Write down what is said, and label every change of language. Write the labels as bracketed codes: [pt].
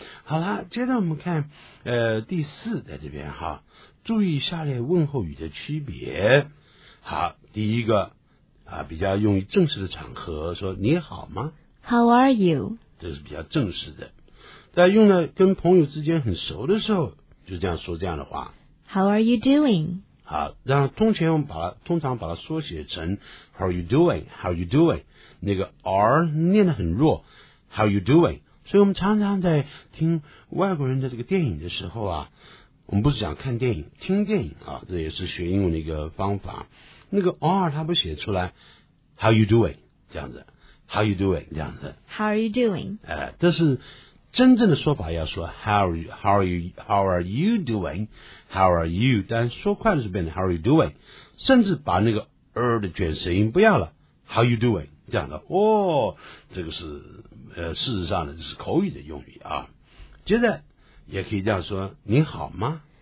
[zh] 好啦，接着我们看第四，在这边哈，注意下列问候语的区别。好，第一个啊，比较用于正式的场合，说你好吗 [en] ？How are you？ [zh] 这是比较正式的。在用了跟朋友之间很熟的时候，就这样说这样的话。 [en] How are you doing？好，然后通常把它缩写成 How are you doing？How are you doing？ [zh] 那个 R 念得很弱 ， How are you doing？所以我们常常在听外国人的这个电影的时候啊，我们不是讲看电影，听电影啊，这也是学英文的一个方法。那个 R 他不写出来 ， How you doing 这样子 ，How you doing 这样子 [en] ，How are you doing？这是真正的说法，要说 How are you doing？How are you？ [zh] 但说快了就变成 How are you doing？甚至把那个 R 的卷舌音不要了 ， How you doing？这样的哦，这个是。事实上呢，这是口语的用语啊。接着也可以这样说：“你好吗